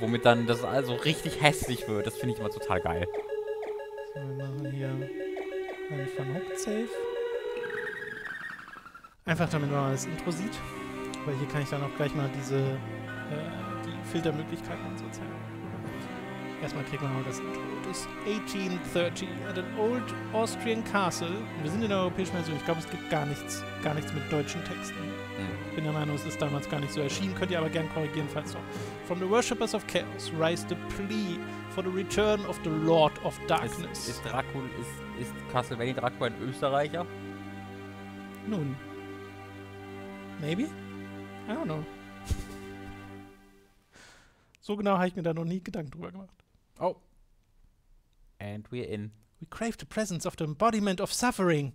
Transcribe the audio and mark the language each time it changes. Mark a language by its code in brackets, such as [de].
[de] Womit dann das also richtig hässlich wird. Das finde ich immer total geil. So, wir machen hier ein Van Hook-Safe. Einfach damit man das Intro sieht. Weil hier kann ich dann auch gleich mal diese, die Filtermöglichkeiten so zeigen. Erstmal kriegen wir mal das Intro. [en] 1830 at an old Austrian castle. [de] Wir sind in der europäischen Version. Ich glaube, es gibt gar nichts mit deutschen Texten. Ich bin der Meinung, es ist damals gar nicht so erschienen. Könnt ihr aber gern korrigieren, falls so. [en] From the worshippers of chaos rise the plea for the return of the Lord of Darkness. [de] Ist Castlevania Dracula ein Österreicher? [en] Nun. Maybe? I don't know. [de] So genau habe ich mir da noch nie Gedanken drüber gemacht. [en] Oh. And we're in. We crave the presence of the embodiment of suffering.